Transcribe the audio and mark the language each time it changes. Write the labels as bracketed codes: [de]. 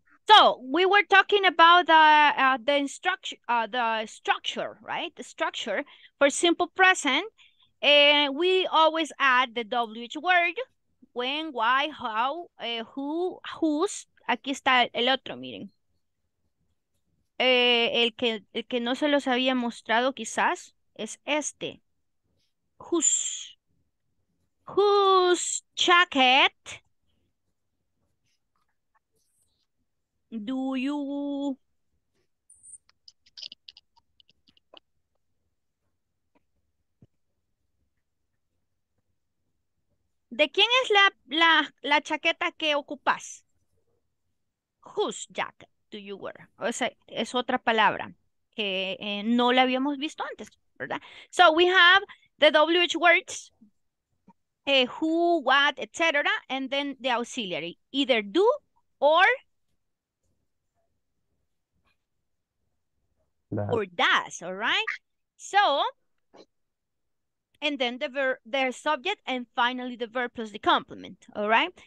[en] So we were talking about the structure, right? The structure for simple present, and we always add the WH word: when, why, how, who, whose. [es] Aquí está el otro, miren. El que no se los había mostrado quizás es este. [en] Whose jacket do you [es] ¿De quién es la chaqueta que ocupas? [en] Whose jacket do you wear? [es] O sea, es otra palabra que no la habíamos visto antes, ¿verdad? [en] So we have the WH words, who, what, etc., and then the auxiliary, either do or does, all right? So, and then their subject, and finally the verb plus the complement, all right?